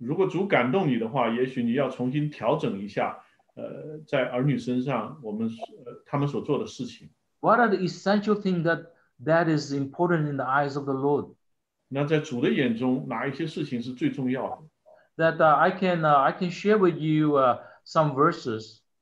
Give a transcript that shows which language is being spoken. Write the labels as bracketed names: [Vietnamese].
[Chinese] 如果主感动你的话, 也许你要重新调整一下, 在儿女身上, 我们, 他们所做的事情。 [English] What are the essential things that is important in the eyes of the Lord? [Chinese] 那在主的眼中, 哪一些事情是最重要的? [English] That I can share with you some verses.